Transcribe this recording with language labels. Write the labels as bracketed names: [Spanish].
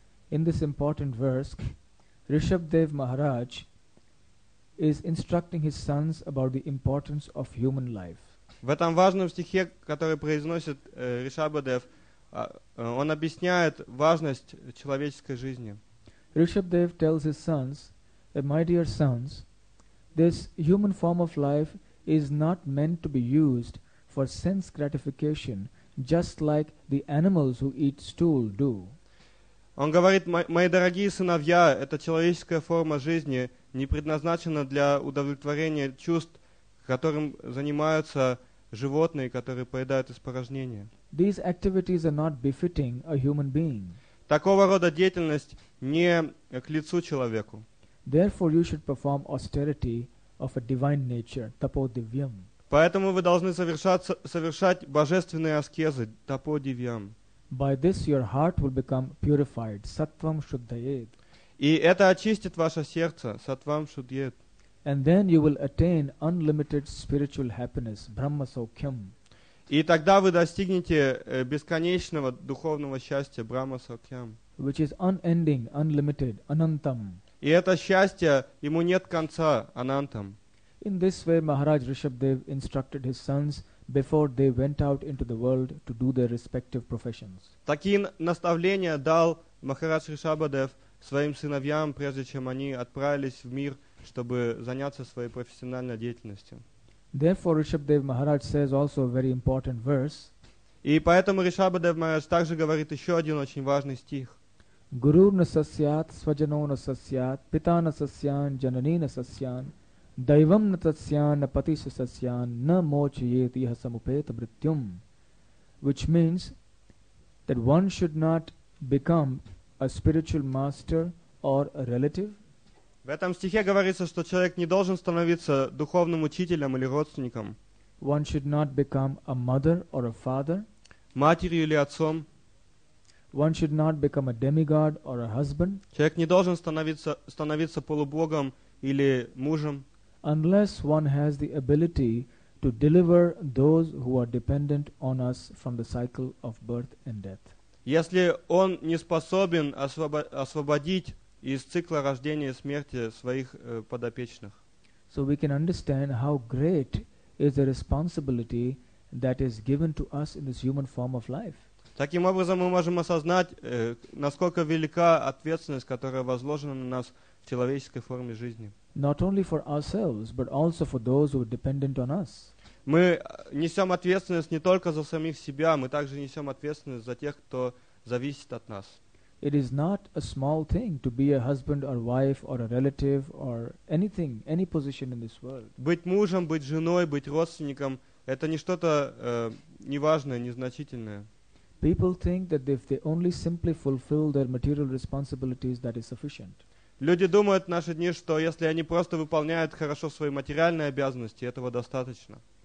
[English] In this important verse, Rishabdev Maharaj is instructing his sons about the importance of human life. [Russian] В этом важном стихе, который произносит Ришабхадев, он объясняет важность человеческой жизни. [English] Rishabdev tells his sons, my dear sons, this human form of life is not meant to be used for sense gratification, just like the animals who eat stool do. [Russian] Он говорит, мои дорогие сыновья, эта человеческая форма жизни не предназначена для удовлетворения чувств, которым занимаются животные, которые поедают испорожнения. [English] These activities are not befitting a human being. [Russian] Такого рода деятельность не к лицу человеку. [English] Therefore, you should perform austerity of a divine nature, tapodivyam. [Russian] Поэтому вы должны совершать божественные аскезы, tapodivyam. [English] By this your heart will become purified, [Sanskrit] sattvam shuddhayet. [Russian] И это очистит ваше сердце, [Sanskrit] sattvam shuddhayet. [English] And then you will attain unlimited spiritual happiness, [Sanskrit] brahma saukhyam. [Russian] И тогда вы достигнете бесконечного духовного счастья, [Sanskrit] брахма саукхьям. [English] Which is unending, unlimited, anantam. [Russian] И это счастье, ему нет конца, анантам. [English] In this way, Maharaj Rishabdev instructed his sons before they went out into the world to do their respective professions. [Russian] Такие наставления дал Махарадж Ришабхадев своим сыновьям, прежде чем они отправились в мир, чтобы заняться своей профессиональной деятельностью. [English] Therefore, Rishabdev Maharaj says also a very important verse. [Russian] И поэтому Ришабхадев Махарадж также говорит еще один очень важный стих. [Sanskrit] Гуру на сасьят, сваджано на сасьят, пита на сасьян, джанани на сасьян, дайвам на сасьян, на патиша сасьян, на мочиет иха самупета бриттюм. [English] Which means that one should not become a spiritual master or a relative. [Russian] В этом стихе говорится, что человек не должен становиться духовным учителем или родственником. [English] One should not become a mother or a father. [Russian] Матерью или отцом. [English] One should not become a demigod or a husband. [Russian] Человек не должен становиться полубогом или мужем. [English] Unless one has the ability to deliver those who are dependent on us from the cycle of birth and death. [Russian] Если он не способен освободить из цикла рождения и смерти своих подопечных. [English] So we can understand how great is the responsibility that is given to us in this human form of life. [Russian] Таким образом, мы можем осознать, насколько велика ответственность, которая возложена на нас в человеческой форме жизни. [English] Not only for ourselves, but also for those who are dependent on us. [Russian] Мы несем ответственность не только за самих себя, мы также несем ответственность за тех, кто зависит от нас. [English] It is not a small thing to be a husband or wife or a relative or anything, any position in this world. [Russian] Быть мужем, быть женой, быть родственником – это не что-то неважное, незначительное. [English] People think that if they only simply fulfill their material responsibilities, that is sufficient. [Russian] Люди думают в наши дни, что если они просто выполняют хорошо свои материальные обязанности, этого достаточно.